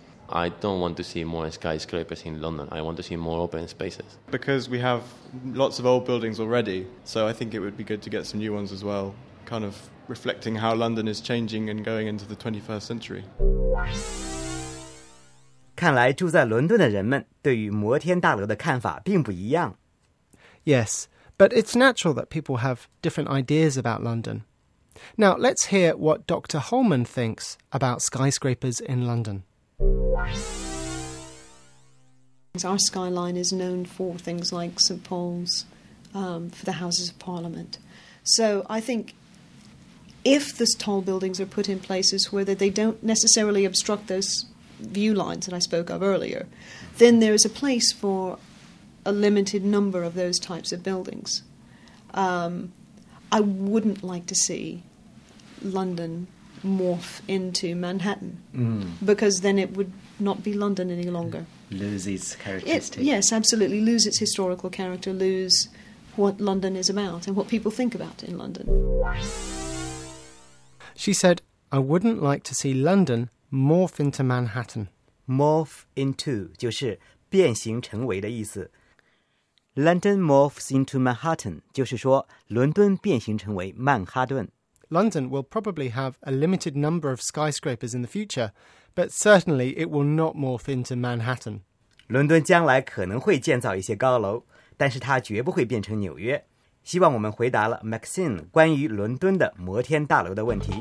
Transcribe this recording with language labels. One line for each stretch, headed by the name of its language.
English: I don't want to see more skyscrapers in London. I want to see more open spaces. Because we have lots of old buildings already, so I think it would be good to get some new ones as well, kind of reflecting how London is changing and going into the 21st century.
Chinese: 看来住在伦敦的人们对于摩天大楼的看法并不一样。
English: Yes, but it's natural that people have different ideas about London. Now, let's hear what Dr. Holman thinks about skyscrapers in London. Our skyline is known for things like St. Paul's, for the Houses of Parliament. So I think if the tall buildings are put in places where they don't necessarily obstruct those view lines that I spoke of earlier, then there is a place for a limited number of those types of buildings. I wouldn't like to see London... morph into Manhattan、mm. because then it would not be London any longer. Lose its characteristic. Yes, absolutely. Lose its historical character, lose what London is about and what people think about in London. She said, I wouldn't like to see London morph into Manhattan. Morph into
Chinese: 就是变形成为的意思。
English: London morphs into Manhattan
Chinese: 就是说伦敦变形成为曼哈顿。
English: London will probably have a limited number of skyscrapers in the future, but certainly it will not morph into Manhattan.
Chinese: 伦敦将来可能会建造一些高楼，但是它绝不会变成纽约。希望我们回答了 Maxine 关于伦敦的摩天大楼的问题。